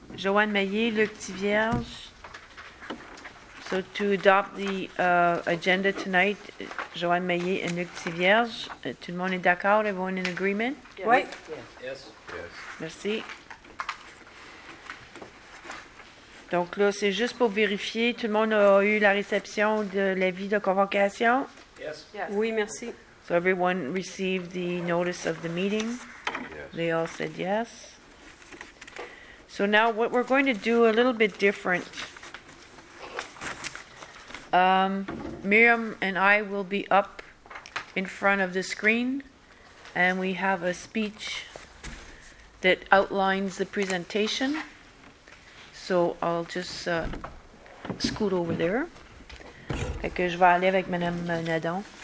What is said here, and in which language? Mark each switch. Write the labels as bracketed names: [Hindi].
[English] Joanne Maillet, Luc Thivierge. So, to adopt the agenda tonight, Joanne Maillet and Luc Thivierge. [French] Tout le monde est d'accord? [English] Everyone in agreement? Yes. [French] Oui. [English] Yes. Yes. [French] Merci. Donc là, c'est juste pour vérifier. Tout le monde a eu la réception de l'avis de convocation? [English] Yes. Yes. [French] Oui, merci. [English] So, everyone received the notice of the meeting? Yes. They all said yes. So, now what we're going to do a little bit different. Miriam and I will be up in front of the screen, and we have a speech that outlines the presentation. So I'll just scoot over there. [French] Fait que je vais aller avec Madame Nadon.